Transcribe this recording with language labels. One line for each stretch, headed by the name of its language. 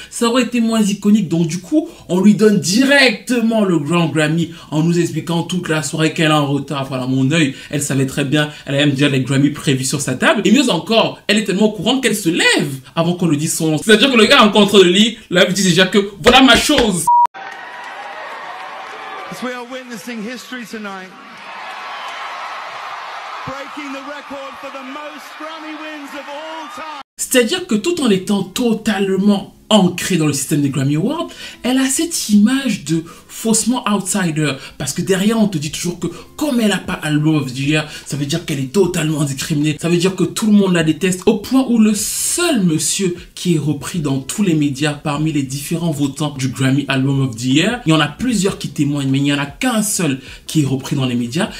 French: Ça aurait été moins iconique. Donc du coup, on lui donne directement le Grand Grammy en nous expliquant toute la soirée qu'elle est en retard. Voilà, mon œil, elle savait très bien. Elle a même déjà les Grammy prévus sur sa table. Et mieux encore, elle est tellement au courant qu'elle se lève avant qu'on lui dise son nom. C'est-à-dire que le gars en contre le lit, là, il dit déjà que voilà ma chose.
English: We are witnessing history tonight. Breaking the record for the most Grammy wins of all time.
French: C'est-à-dire que tout en étant totalement ancrée dans le système des Grammy Awards, elle a cette image de faussement outsider. Parce que derrière, on te dit toujours que comme elle n'a pas Album of the Year, ça veut dire qu'elle est totalement discriminée. Ça veut dire que tout le monde la déteste. Au point où le seul monsieur qui est repris dans tous les médias parmi les différents votants du Grammy Album of the Year, il y en a plusieurs qui témoignent, mais il n'y en a qu'un seul qui est repris dans les médias.